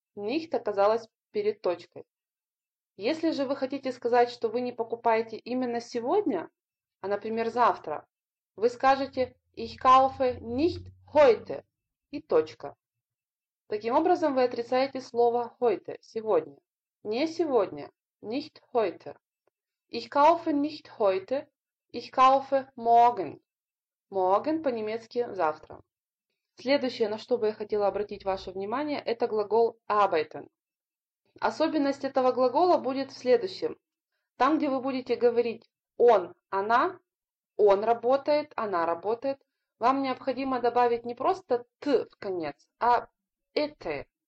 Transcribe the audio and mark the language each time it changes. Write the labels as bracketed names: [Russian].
[Russian] «Nicht» оказалось перед точкой. Если же вы хотите сказать, что вы не покупаете именно сегодня, а, например, завтра, вы скажете [German] «ich kaufe nicht heute» [Russian] и точка. Таким образом, вы отрицаете слово heute, сегодня. Не сегодня, [German] nicht heute. Ich kaufe nicht heute, ich kaufe morgen. [Russian] Morgen по-немецки завтра. Следующее, на что бы я хотела обратить ваше внимание, это глагол arbeiten. Особенность этого глагола будет в следующем. Там, где вы будете говорить он, она, он работает, она работает, вам необходимо добавить не просто t в конец, а это.